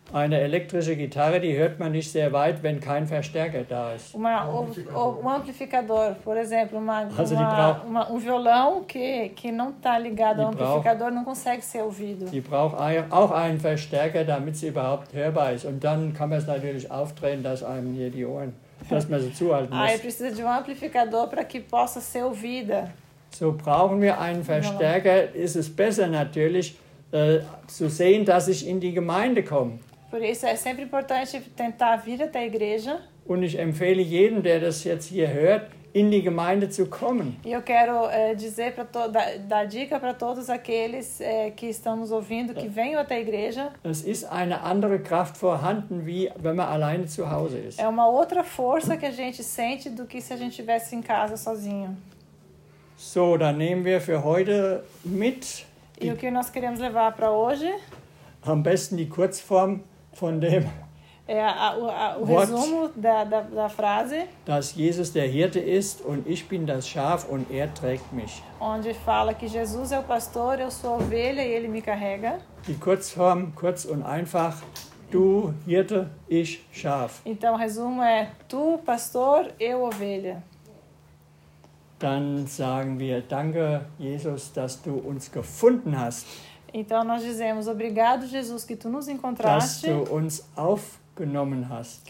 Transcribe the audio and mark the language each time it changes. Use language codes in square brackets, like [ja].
[de] Eine elektrische Gitarre, die hört man nicht sehr weit, wenn kein Verstärker da ist. [pt] Um amplificador, por exemplo, um violão que não está ligado ao amplificador não consegue ser ouvido. [de] Die braucht auch einen Verstärker, damit sie überhaupt hörbar ist. Und dann kann man es natürlich aufdrehen, dass einem hier die Ohren, dass man sie zuhalten muss. [pt] Ah, precisa de um amplificador para que possa ser ouvida. [de] So brauchen wir einen Verstärker, ist es besser natürlich zu sehen, dass ich in die Gemeinde komme. [pt] Por isso é sempre importante tentar vir até a igreja. [de] Und ich empfehle jedem, der das jetzt hier hört, in die Gemeinde zu kommen. [pt] E eu quero dizer para da dica para todos aqueles que estamos ouvindo que venham até a igreja. [de] Es ist eine andere Kraft vorhanden, wie wenn man alleine zu Hause ist. [pt] É uma outra força que a gente sente do que se a gente tivesse em casa sozinho. [de] So, dann nehmen wir für heute mit. [pt] E o que nós queremos levar para hoje? [de] Am besten die Kurzform von dem. [pt] É o resumo da frase. [de] Dass Jesus der Hirte ist und ich bin das Schaf und er trägt mich. [pt] Onde fala que Jesus é o pastor, eu sou a ovelha e ele me carrega. [de] Die Kurzform, kurz und einfach. Du Hirte, ich Schaf. [pt] Então o resumo é tu pastor, eu ovelha. [de] Dann sagen wir danke Jesus, dass du uns gefunden hast. [pt] Então nós dizemos obrigado Jesus que tu nos encontraste. [de] Dass du uns aufgenommen hast.